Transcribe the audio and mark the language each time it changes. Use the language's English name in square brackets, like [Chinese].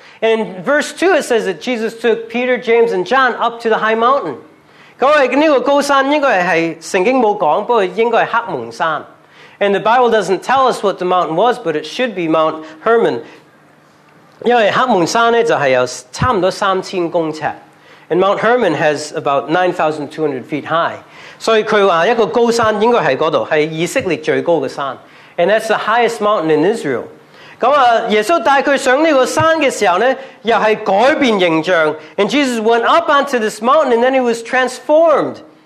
[English] And in verse 2, it says that Jesus took Peter, James, and John up to the high mountain. [Chinese] 各位，这个高山应该是圣经没讲，不过应该是黑蒙山。 [English] And the Bible doesn't tell us what the mountain was, but it should be Mount Hermon. [Chinese] 因为黑蒙山就是有差不多3000公尺。 [English] And Mount Hermon has about 9,200 feet high. [Chinese] 所以他说一个高山应该是那里，是以色列最高的山。 [English] And that's the highest mountain in Israel. [Chinese] 耶稣带他上这个山的时候，又是改变形象。 [English] And Jesus went up onto this mountain and then he was transformed.